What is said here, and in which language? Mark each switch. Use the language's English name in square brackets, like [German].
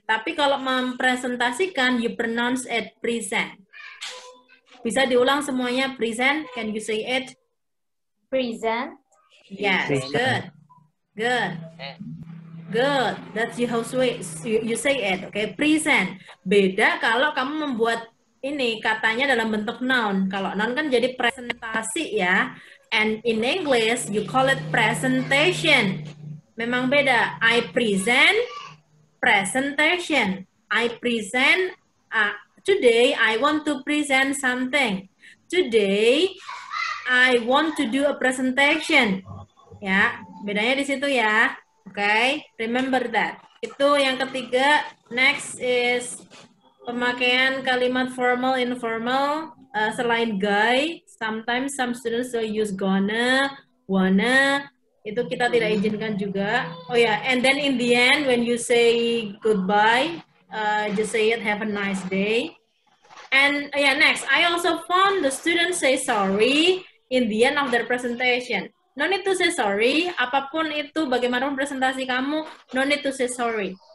[Indonesian] Tapi kalau mempresentasikan, you pronounce it present. [English] Bisa diulang semuanya, present, can you say it? Present. Yes, good. Good. Good, that's how you say it, okay, present. [Indonesian] Beda kalau kamu membuat ini katanya dalam bentuk noun. Kalau noun kan jadi presentasi ya. And in English, you call it presentation. [English] Memang beda, I present, presentation. I present, today I want to present something. Today, I want to do a presentation. [Indonesian] Ya, bedanya di situ ya. Okay, remember that. Itu yang ketiga. Next is pemakaian kalimat formal, informal. [English] Selain guy, sometimes some students will use gonna, wanna. [Indonesian] Itu kita tidak izinkan juga. [English] Oh yeah, and then in the end, when you say goodbye, just say it, have a nice day. And yeah, next, I also found the students say sorry in the end of their presentation. No need to say sorry, apapun itu bagaimanapun presentasi kamu, no need to say sorry.